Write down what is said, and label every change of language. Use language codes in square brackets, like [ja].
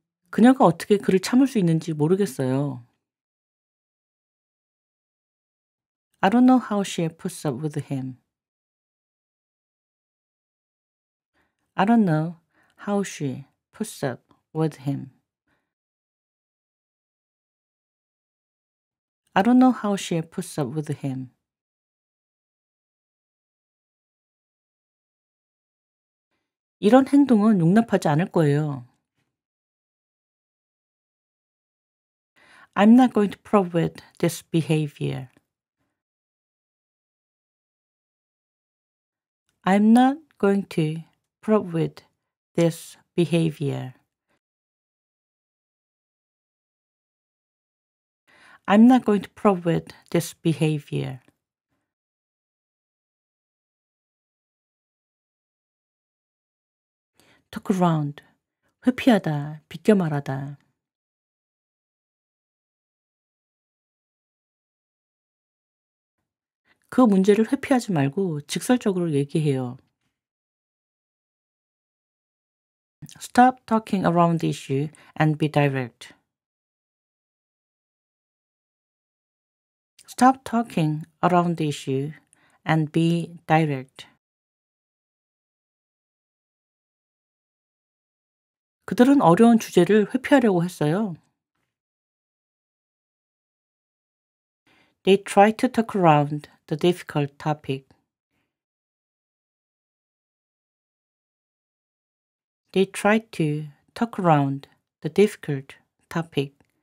[ko] 그녀가 어떻게 그를 참을 수 있는지 모르겠어요. [en] I don't know how she puts up with him. I don't know how she puts up with him. I don't know how she puts up with him. [ko] 이런 행동은 용납하지 않을 거예요. [en] I'm not going to put up with this behavior. I'm not going to put up with this behavior. I'm not going to put up with this behavior. [ko] 회피하다, 비껴 말하다. [en] Stop talking around the issue and be direct. Stop talking around the issue and be direct. [ko] 그들은 어려운 주제를 회피하려고 했어요. [en] They try to talk around the difficult topic. They try to talk around the difficult topic.